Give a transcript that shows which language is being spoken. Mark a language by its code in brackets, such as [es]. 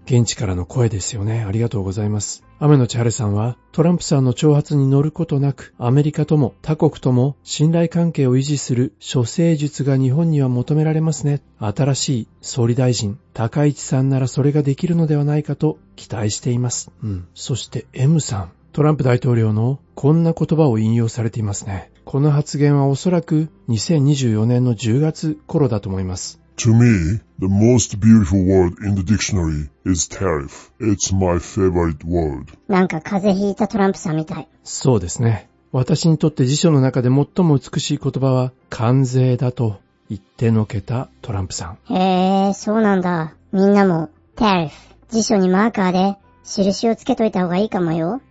[ja] 現地からの声ですよね。ありがとうございます。雨の千春さんは、トランプさんの挑発に乗ることなく、アメリカとも他国とも信頼関係を維持する処世術が日本には求められますね。新しい総理大臣、高市さんならそれができるのではないかと期待しています。そして M さん、トランプ大統領のこんな言葉を引用されていますね。この発言はおそらく2024年の10月頃だと思います。 [en] To me, the most beautiful word in the dictionary is tariff. It's my favorite word. [ja] なんか風邪ひいたトランプさんみたい。そうですね。私にとって辞書の中で最も美しい言葉は関税だと言ってのけたトランプさん。へえ、そうなんだ。みんなも tariff 辞書にマーカーで印をつけといた方がいいかもよ。